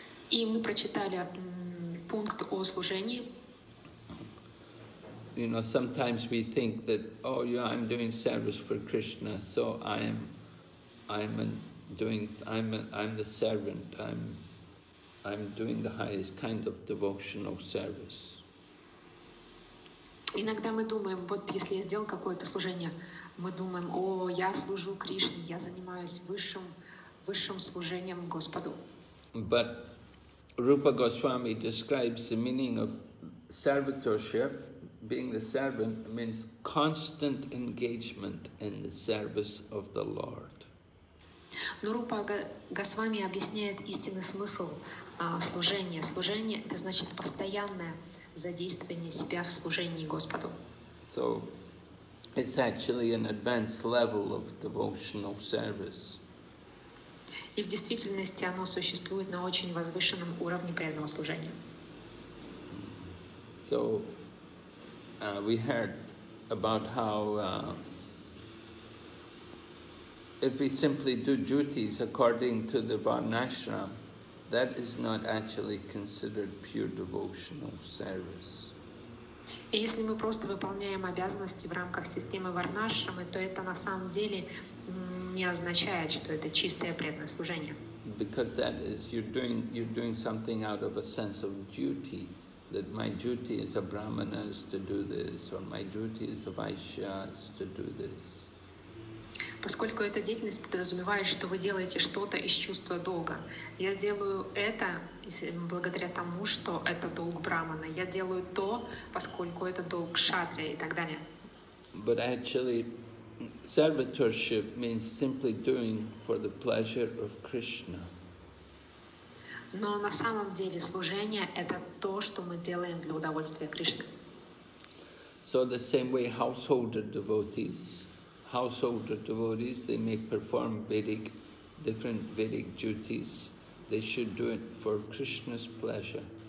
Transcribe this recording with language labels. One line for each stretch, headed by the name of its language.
Russian: И мы прочитали пункт о служении.
English: You know, sometimes we think that, oh, yeah, I'm doing service for Krishna, so I'm the servant. I'm doing the highest kind of devotional service.
Russian: Иногда мы думаем, вот если я сделал какое-то служение, мы думаем, о, я служу Кришне, я занимаюсь высшим служением Господу.
English: But Rupa Goswami describes the meaning of servitorship. Being the servant means constant engagement in the service of the Lord.
Russian: Но Рупа Госвами объясняет истинный смысл служения. Служение — это значит постоянное задействование себя в служении Господу.
English: So, it's actually an advanced level of devotional service.
Russian: И в действительности оно существует на очень возвышенном уровне преданного служения.
English: So, we heard about how if we simply do duties according to the Varnashram, that is not actually considered pure devotional service.
Russian: И если мы просто выполняем обязанности в рамках системы Варнашрамы, то это на самом деле не означает, что это чистое преданное служение.
English: Because that is you're doing something out of a sense of duty. That my duty as a brahmana is to do this, or my duty as a vaishya is to do this.
Russian: Поскольку эта деятельность подразумевает, что вы делаете что-то из чувства долга, я делаю это благодаря тому, что это долг брахмана. Я делаю то, поскольку это долг кшатрия и так далее.
English: But actually, servitorship means simply doing for the pleasure of Krishna.
Russian: Но на самом деле служение — это то, что мы делаем для удовольствия Кришны.
English: So the same way householder devotees, they may perform different Vedic duties, they should do it for Krishna's pleasure.